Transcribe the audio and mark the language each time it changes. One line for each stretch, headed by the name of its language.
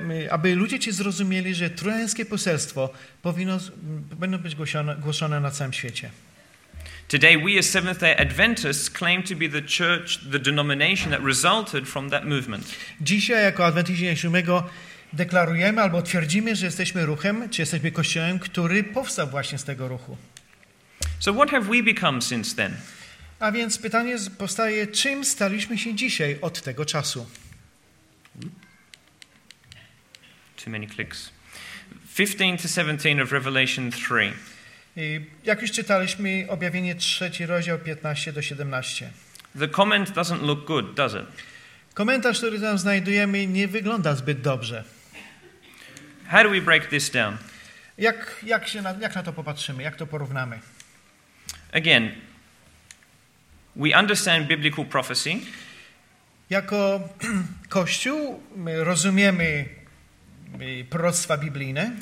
Polish: Aby ludzie ci zrozumieli, że trójańskie poselstwo powinno być głoszone na całym świecie.
English: Today we as Seventh-day Adventists claim to be the church, the denomination that resulted from that movement.
Polish: Dzisiaj jako Adwentyści Dnia Siódmego deklarujemy albo twierdzimy, że jesteśmy ruchem, czy jesteśmy kościołem, który powstał właśnie z tego ruchu.
English: So what have we become since then?
Polish: A więc pytanie powstaje, czym staliśmy się dzisiaj od tego czasu?
English: Too many clicks. 15-17 of Revelation 3.
Polish: Jak już czytaliśmy, objawienie 3, rozdział 15-17.
English: The comment doesn't look good, does it?
Polish: Komentarz, który tam znajdujemy, nie wygląda zbyt dobrze.
English: How do we break this down?
Polish: Jak na to popatrzymy, jak to porównamy?
English: Again, we understand biblical prophecy.
Polish: Jako Kościół my rozumiemy proroctwa biblijne.